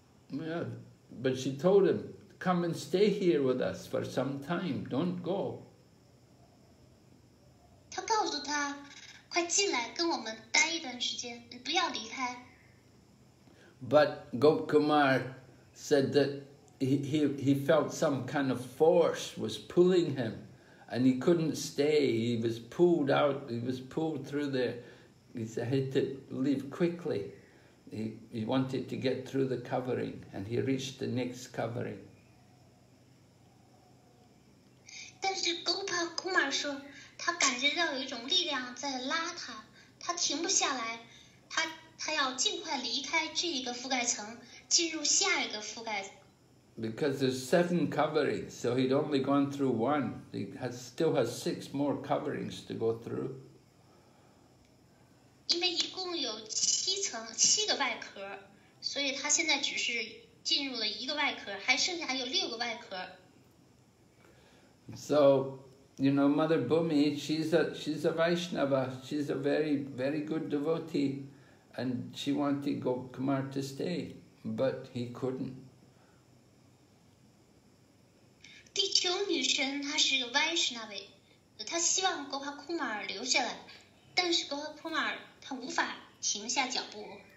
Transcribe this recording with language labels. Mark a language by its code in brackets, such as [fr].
[en] But she told him,Come and stay here with us for some time. Don't go. [zh] 他告诉他，快进来，跟我们待一段时间，不要离开。 [en] But Gop Kumar said that he felt some kind of force was pulling him, and he couldn't stay. He was pulled out. He was pulled through there. He said he had to leave quickly. He wanted to get through the covering, and he reached the next covering. [zh] 但是 Gopa Kumar 说，他感觉到有一种力量在拉他，他停不下来，他要尽快离开这一个覆盖层，进入下一个覆盖层。 [en] Because there's seven coverings, so he'd only gone through one. He has still has six more coverings to go through. [zh] 因为一共有七层，七个外壳，所以他现在只是进入了一个外壳，还剩下有六个外壳。 [en] So, you know, Mother Bhumi, she's a Vaishnava, she's a very, very good devotee, and she wanted Gop Kumar to stay, but he couldn't. [zh] 地球女神她是个 Vaishnava, 他希望 Gopal Kumar 留下来，但是 Gopal Kumar 他无法停下脚步。